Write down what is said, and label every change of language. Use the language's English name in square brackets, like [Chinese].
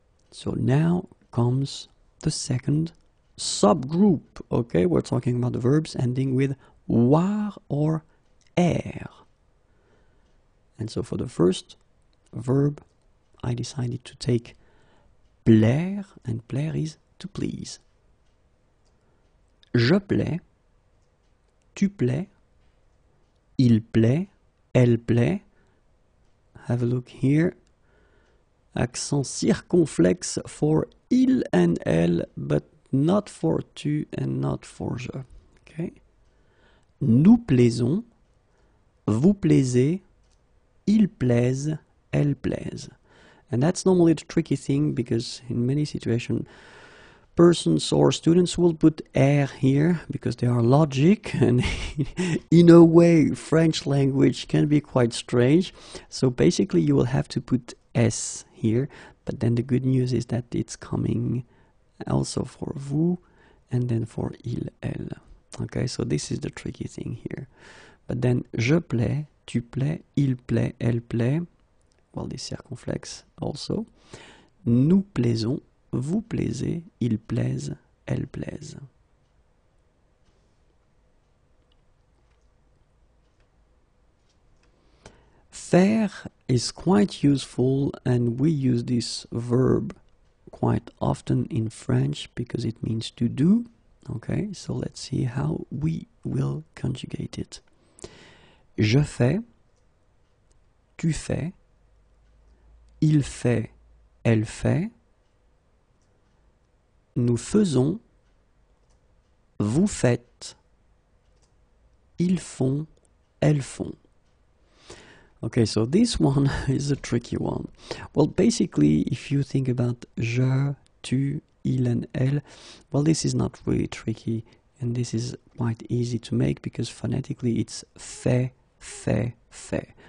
[English] So now comes the second subgroup. Okay, we're talking about the verbs ending with voir or air. And so for the first verb, I decided to take plaire, and plaire is to please. [French] Je plais, tu plais, il plaît, elle plaît. [English] Have a look here. Accent circonflexe for il and elle, but not for tu and not for je. Okay. [French] Nous plaisons, vous plaisez, il plaise, elle plaise. [English] And that's normally the tricky thing, because in many situations, persons or students will put air here because they are logic, and in a way, French language can be quite strange. So basically, you will have to put S here, but then the good news is that it's coming also for vous and then for il, elle. Okay, so this is the tricky thing here. But then, [French] je plais, tu plais, il plaît, elle plaît. [English] Well, this circumflex also. [French] Nous plaisons, vous plaisez, il plaise, elle plaise. [English] Faire is quite useful, and we use this verb quite often in French because it means to do. Okay, so let's see how we will conjugate it. [French] Je fais, tu fais, il fait, elle fait, nous faisons, vous faites, ils font, elles font. [English] Okay, so this one is a tricky one. Well, basically, if you think about je, tu, il and elle, well, this is not really tricky, and this is quite easy to make because phonetically it's fait, fait, fait.